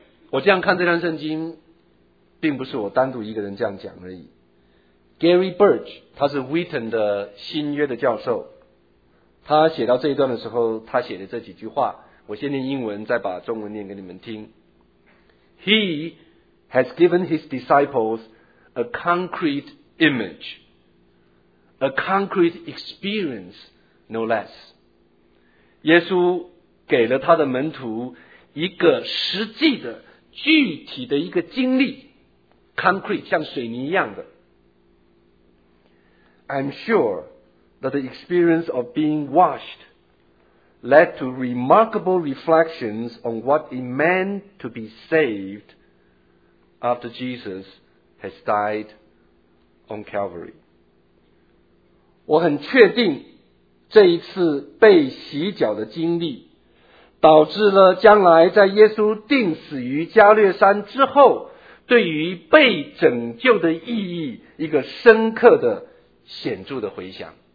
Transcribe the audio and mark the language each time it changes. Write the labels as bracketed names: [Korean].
[Chinese] 我这样看这段圣经，并不是我单独一个人这样讲而已。 Gary Birch， 他是 Wheaton 的新约的教授，他写到这一段的时候，他写的这几句话，我先念英文，再把中文念给你们听。 [English] He has given his disciples a concrete image, a concrete experience, no less. [Chinese] 耶稣给了他的门徒一个实际的具体的一个经历 concrete 像水泥一样的。 [English] I'm sure that the experience of being washed led to remarkable reflections on what it meant to be saved after Jesus has died on Calvary. [Chinese] 我很确定这一次被洗脚的经历导致了将来在耶稣钉死于加略山之后对于被拯救的意义一个深刻的显著的回响。